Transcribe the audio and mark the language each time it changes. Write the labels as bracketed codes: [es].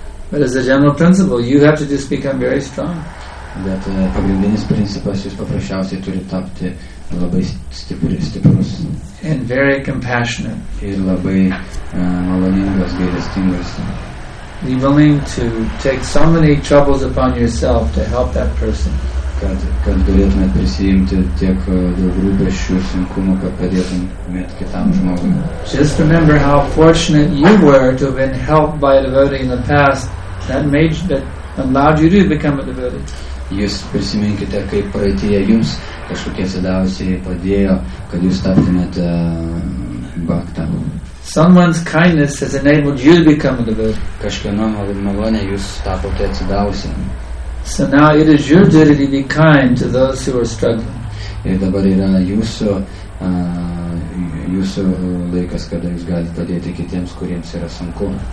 [en] But as a general principle, you have to just become very strong. [lt] Bet pagrindinis principas, jūs paprasčiausiai turi tapti labai stiprus. [en] And very compassionate. [lt] Ir labai maloningas, gailestingas. [en] Be willing to take so many troubles upon yourself to help that person. [lt] Kad galėtumėt prisijimti tiek daug rūpesčių sunkumų, kad padėtumėt kitam žmogui. [en] Just remember how fortunate you were to have been helped by a devotee in the past that allowed you to become a devotee. [lt] Jūs prisiminkite, kaip praeityje jums kažkokie atsidavusieji padėjo, kad jūs taptumėt bhakta. [en] Someone's kindness has enabled you to become a devotee. [lt] Kažkieno malonė jūs tapote atsidavusi. [en] So now it is your duty to be kind to those who are struggling. [lt] Ir dabar yra jūsų laikas, kada jūs galite padėti kitiems, kuriems yra sunku.